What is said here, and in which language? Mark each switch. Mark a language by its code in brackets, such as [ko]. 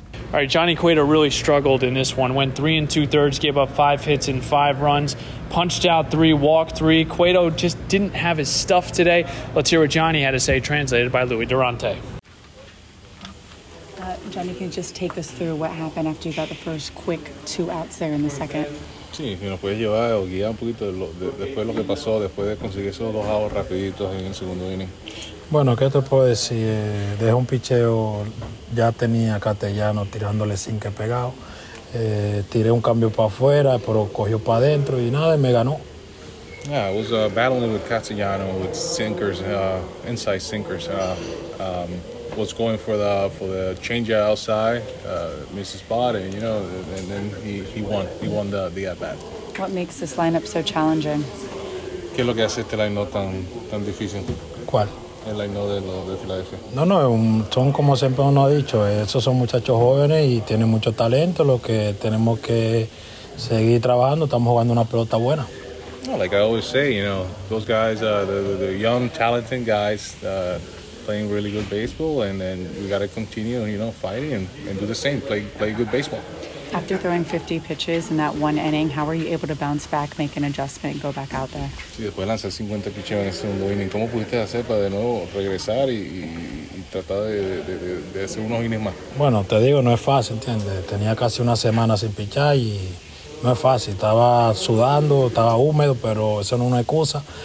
[en] All right, Johnny Cueto really struggled in this one. Went 3 2/3, gave up 5 hits and 5 runs, punched out 3, walked 3. Cueto just didn't have his stuff today. Let's hear what Johnny had to say, translated by Louis Durante. Johnny, can you just take us through what happened after you got the first quick two outs there in the second? [es] Sí, si nos puedes llevar o guiar un poquito después de lo que pasó, después de conseguir esos dos outs rapiditos en el segundo inning. Bueno, ¿qué te puedo decir? Dejé un picheo, ya tenía Castellano tirándole sin que pegado. Tiré un cambio para afuera, pero cogió para adentro y nada, me ganó. [en] Yeah, it was battling with Castellano with sinkers, inside sinkers. Was going for the change outside, missed his spot, and you know, and then he won the at bat. What makes this lineup so challenging? [es] ¿Qué es lo que hace este lineup tan difícil? ¿Cuál? El lineup de Filadelfia. No, son como siempre uno ha dicho, esos son muchachos jóvenes y tienen mucho talento. Lo que tenemos que seguir trabajando, estamos jugando una pelota buena. [en] Well, like I always say, you know, those guys, the young, talented guys, playing really good baseball, and then we got to continue, you know, fighting and do the same, play good baseball. After throwing 50 pitches in that one inning, how were you able to bounce back, make an adjustment, and go back out there? [es] Sí, después de lanzar 50 pitches en ese segundo inning, ¿cómo pudiste hacer para de nuevo regresar y tratar de hacer unos innings más? Bueno, te digo, no es fácil, ¿entiendes? Tenía casi una semana sin pichar y no es fácil, estaba sudando, estaba húmedo, pero eso no es una excusa.